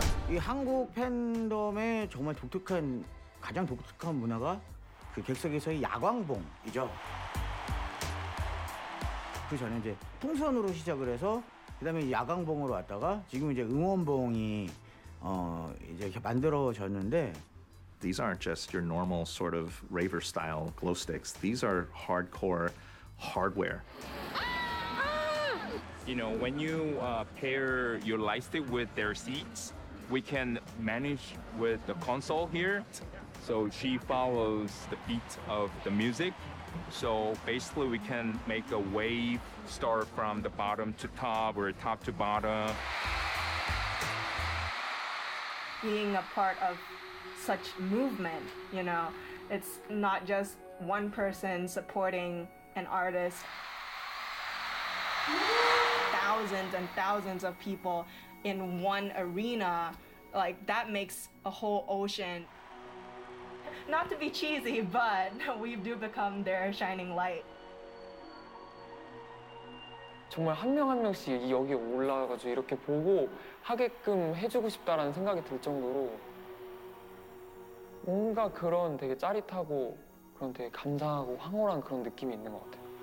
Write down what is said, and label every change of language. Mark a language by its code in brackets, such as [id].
[ko] 이 한국 팬덤의 정말 독특한, 가장 독특한 문화가 그 객석에서의 야광봉이죠. 그 전에 이제 풍선으로 시작을 해서 그 다음에 야광봉으로 왔다가 지금 이제 응원봉이 이제 이렇게 만들어졌는데 [en] These aren't just your normal sort of raver style glow sticks. These are hardcore hardware. You know, when you pair your light stick with their seats, we can manage with the console here. So she follows the beat of the music. So basically we can make a wave start from the bottom to top or top to bottom. being a part of such movement, you know? It's not just one person supporting an artist. Thousands and thousands of people in one arena, like, that makes a whole ocean. Not to be cheesy, but we do become their shining light. [ko] 정말 한 명 한 명씩 여기 올라와서 이렇게 보고 하게끔 해주고 싶다라는 생각이 들 정도로 뭔가 그런 되게 짜릿하고 그런 되게 감사하고 황홀한 그런 느낌이 있는 것 같아요.